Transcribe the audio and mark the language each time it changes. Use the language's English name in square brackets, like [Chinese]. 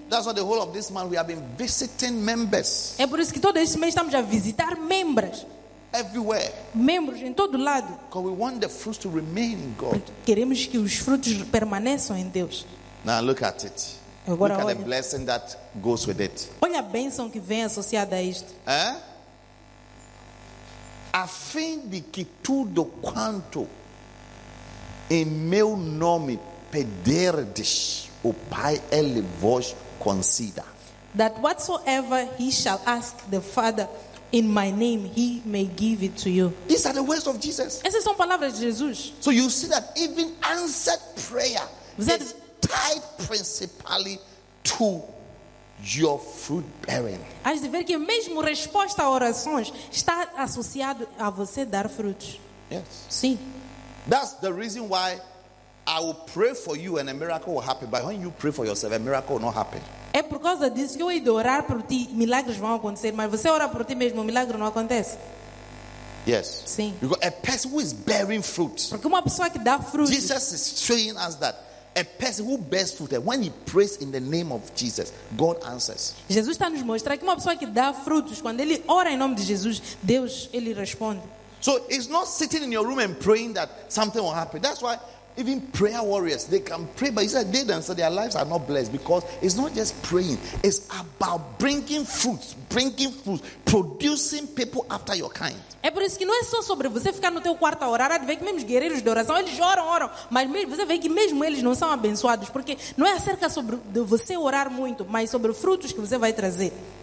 [English] That's why the whole of this month we have been visiting members. [Portuguese] É por isso que todo esse mês estamos a visitar membros. [English] Everywhere. [Portuguese] Membros em todo lado. [English] Because we want the fruits to remain in God. [Portuguese] Queremos que os frutos permaneçam em Deus. [English] Now look at it. [Portuguese] Agora, [English] look at the blessing that goes with it. [Portuguese] Olha a bênção que vem associada a isto. Eh? A fim de que tudo quanto em meu nome perderdes, o Pai ele vos conceda. [English] That whatsoever he shall ask the Father in my name, he may give it to you. These are the words of Jesus. [Portuguese] Essas são palavras de Jesus. [English] So you see that even answered prayer is tied principally to your fruit bearing. [Portuguese] Has de ver que mesmo resposta a orações está associado a você dar frutos. [English] Yes. [Portuguese] Sim. [English] That's the reason why I will pray for you and a miracle will happen. But when you pray for yourself, a miracle will not happen. [Portuguese] É por causa disso que eu hei de orar por ti, milagres vão acontecer. Mas você ora por ti mesmo, o milagre não acontece. [English] Yes. [Portuguese] Sim. [English] Because a person who is bearing fruit. [Portuguese] Porque uma pessoa que dá frutos. [English] Jesus is showing us that. A person who bears fruit, when he prays in the name of Jesus, God answers. [Portuguese] Jesus está nos mostrando que uma pessoa que dá frutos, quando ele ora em nome de Jesus, Deus ele responde. [English] So it's not sitting in your room and praying that something will happen. That's why even prayer warriors, they can pray, but he said they don't, so their lives are not blessed, because it's not just praying. It's about bringing fruits, producing people after your kind. [Portuguese] É por isso que não é só sobre você ficar no teu quarto a orar. Há de ver que mesmo os guerreiros de oração, eles oram, oram. Mas você vê que mesmo eles não são abençoados. Porque não é acerca sobre de você orar muito, mas sobre frutos que você vai trazer.